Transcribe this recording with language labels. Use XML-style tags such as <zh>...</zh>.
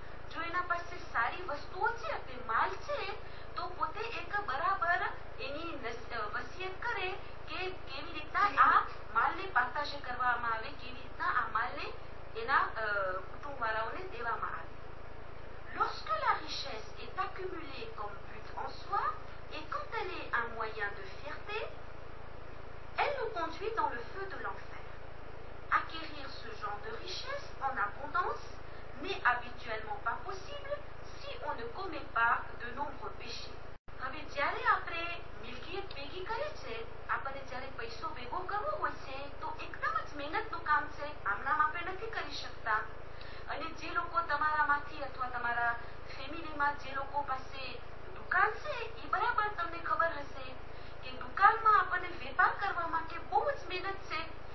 <gu>જો એના પાસે સારી વસ્તુઓ છે અને માલ છે તો પોતે એક બરાબર એની વસિયત કરે કે કેવી રીતના આ માલને પાત્રશે કરવામાં આવે, કેવી રીતના આ માલને એના કુટુંબ વાળાઓને દેવામાં આવે.</gu> <fr>Lorsque la richesse est accumulée comme but en soi et quand elle est un moyen de fierté, elle nous conduit dans le feu de l'enfer. Acquérir ce genre de richesse en abondance n'est habituellement pas possible si on ne commet pas de nombreux péchés.</fr> <gu>હવે જ્યારે આપણે મિલકિયત ભેગી કરે છે, આપણે જ્યારે પૈસો ભેગો કરવો હોય છે તો એકદમ જ મહેનતનું કામ છે, આમનામ આપણે નથી કરી શકતા. અને જે લોકો તમારામાંથી અથવા તમારા ફેમિલીમાં જે લોકો પાસે દુકાન છે, એ બરાબર તમને ખબર હશે કે દુકાનમાં આપણને વેપાર કરવા માટે બહુ જ મહેનત છે.</gu>